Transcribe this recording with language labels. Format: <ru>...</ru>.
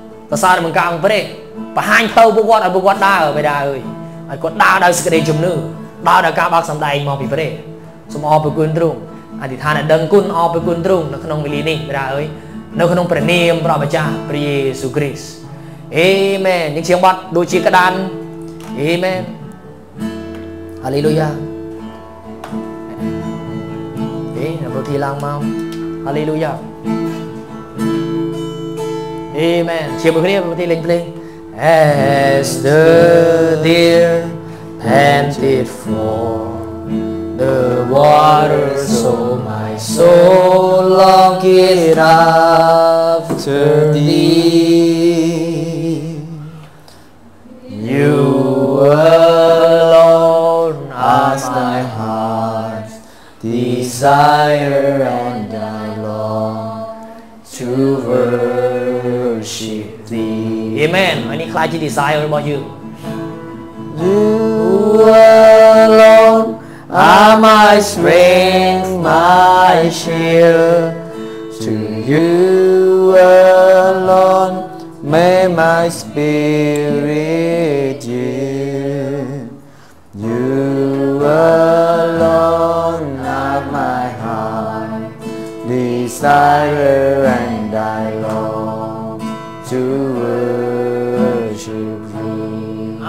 <km>ប្រសារមកកងព្រះបង្ហាញទៅពួកគាត់ឲ្យពួកគាត់ដើរបិតាអើយហើយគាត់ដើរដោយសេចក្តីជំនឿដើរដោយការបោកសម្ដែងមកពីព្រះសូមអរព្រគុណទ្រង់អតិថានដឹងគុណអរព្រគុណទ្រង់នៅក្នុងវេលានេះបងប្អូនអើយនៅក្នុងព្រះនាមព្រះម្ចាស់ព្រះយេស៊ូវគ្រីស្ទអេមែនយើងជាបាត់ដូចជាក្តានអេមែនហាឡេលូយ៉ាអេនៅទីឡើងមកហាឡេលូយ៉ា អេមែនជាមួយគ្នាប្រតិលេងភ្លេង</km> <en>As the deer panted for the water so my soul longed after thee You alone as my heart desire and I long to worship thee</en> <km>Amen អានេះខ្លាចជា desire របស់យើង</km> <en>You alone are my strength my shield to you alone may my spirit yield you alone are my heart desire and I long to worship thee</en>